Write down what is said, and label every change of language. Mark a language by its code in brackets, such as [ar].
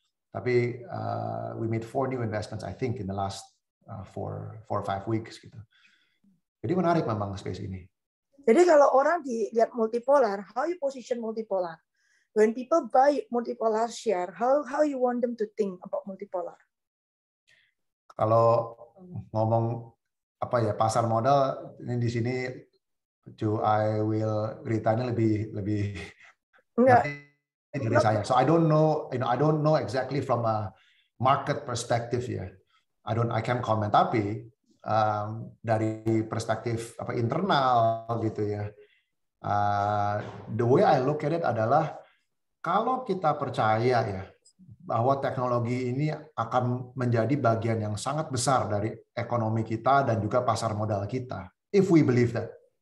[en] Tapi we made 4 new investments I think in the last 4 or 5 weeks gitu. [id] Jadi menarik memang space ini. Jadi kalau orang dilihat multipolar, [en] how you position multipolar? When people buy multipolar share, how you want them to think about multipolar? [id] Kalau ngomong apa ya, pasar modal ini di sini, I will ceritanya lebih dari saya. [en] So I don't know exactly from a market perspective ya. Yeah. I can't comment. [id] Tapi dari perspektif apa internal gitu ya. [en] The way I look at it [id] adalah kalau kita percaya ya bahwa teknologi ini akan menjadi bagian yang sangat besar dari ekonomi kita dan juga pasar modal kita. [en] If we believe that.